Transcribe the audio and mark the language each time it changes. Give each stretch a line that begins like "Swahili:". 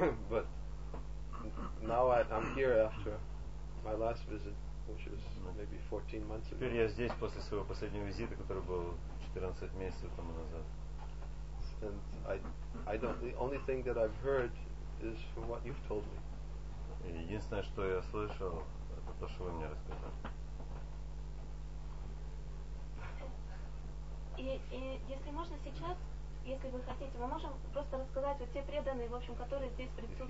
English: But now I'm here after my last visit, which was maybe 14 months ago.
Russian: Теперь я здесь после своего последнего визита, который был 14 месяцев тому назад.
English: And I don't. The only thing that I've heard is from what you've told me.
Russian: Единственное, что я слышал, то, что вы мне рассказали. И если можно сейчас, если вы хотите, мы можем просто рассказать вот те преданные, в общем, которые здесь присутствуют.